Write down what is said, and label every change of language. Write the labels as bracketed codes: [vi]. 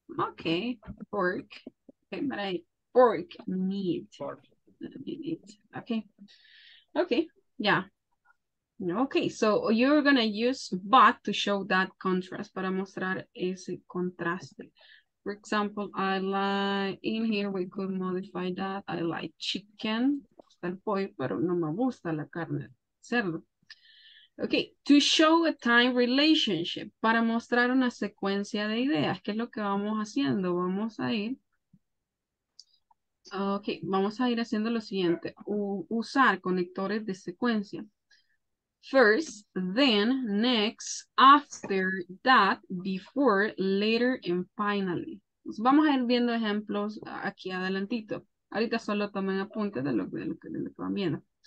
[en] Okay, pork. Okay, but I pork, meat. Pork. Meat. Okay. Okay, yeah. Okay, so you're going to use but to show that contrast, [es] para mostrar ese contraste. [en] For example, I like, in here we could modify that. I like chicken, [es] el pollo, pero no me gusta la carne cerdo. Okay, [en] to show a time relationship, [es] para mostrar una secuencia de ideas, ¿qué es lo que vamos haciendo? Vamos a ir. Okay, vamos a ir haciendo lo siguiente: usar conectores de secuencia. [en] First, then, next, after, that, before, later, and finally. [es] Vamos a ir viendo ejemplos aquí adelantito. Ahorita solo tomen apuntes de lo que van viendo.